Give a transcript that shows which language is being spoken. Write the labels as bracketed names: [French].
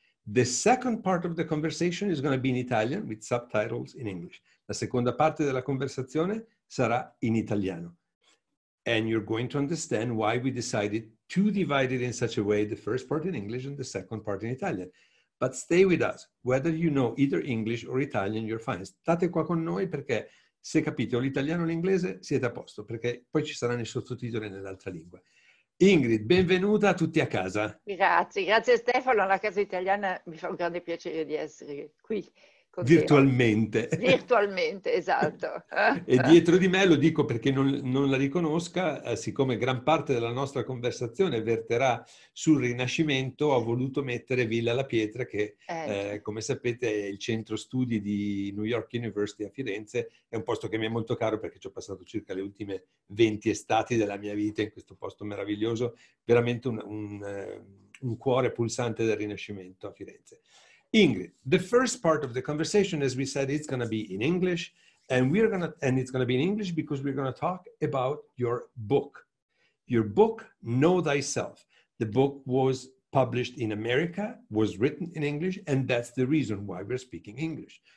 [English] The second part of the conversation is going to be in Italian, with subtitles in English. [Italian] La seconda parte della conversazione sarà in italiano. [English] And you're going to understand why we decided to divide it in such a way, the first part in English and the second part in Italian. But stay with us. Whether you know either English or Italian, you're fine. [Italian] State qua con noi perché se capite o l'italiano o l'inglese, siete a posto, perché poi ci saranno i sottotitoli nell'altra lingua. Ingrid, benvenuta a tutti a casa. Grazie Stefano, la casa italiana mi fa un grande piacere di essere qui con te oggi. Virtualmente. Virtualmente, esatto. E dietro di me, lo dico perché non la riconosca, siccome gran parte della nostra conversazione verterà sul Rinascimento, ho voluto mettere Villa La Pietra, che come sapete è il centro studi di New York University a Firenze. È un posto che mi è molto caro perché ci ho passato circa le ultime 20 estati della mia vita in questo posto meraviglioso, veramente un cuore pulsante del Rinascimento a Firenze. [English] Ingrid, the first part of the conversation, as we said, it's going to be in English. And it's going to be in English because we're going to talk about your book. Your book, Know Thyself. The book was published in America, was written in English, and that's the reason why we're speaking English.